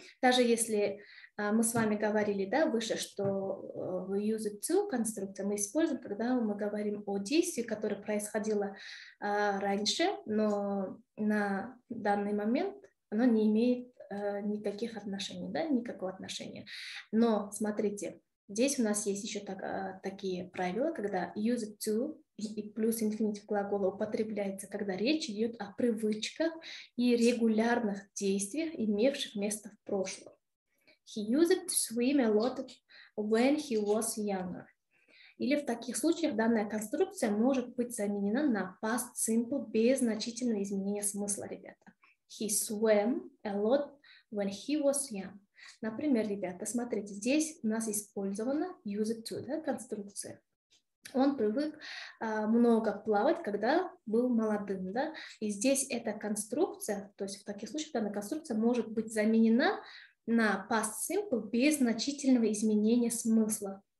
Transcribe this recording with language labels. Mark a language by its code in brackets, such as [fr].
[ru] Даже если мы с вами говорили, да, выше, что [en] we use it to [ru] конструкция, мы используем, когда мы говорим о действии, которое происходило раньше, но на данный момент оно не имеет никаких отношений, да, никакого отношения. Но смотрите, здесь у нас есть еще такие правила, когда use it to и плюс infinitive глагола употребляется, когда речь идет о привычках и регулярных действиях, имевших место в прошлом. [en] He used to swim a lot when he was younger. [ru] Или в таких случаях данная конструкция может быть заменена на past simple без значительного изменения смысла, ребята. [en] He swam a lot when he was young. [ru] Например, ребята, смотрите, здесь у нас использована used to, да, конструкция. Он привык много плавать, когда был молодым, да. И здесь эта конструкция, то есть в таких случаях данная конструкция может быть заменена на past simple без значительного изменения смысла.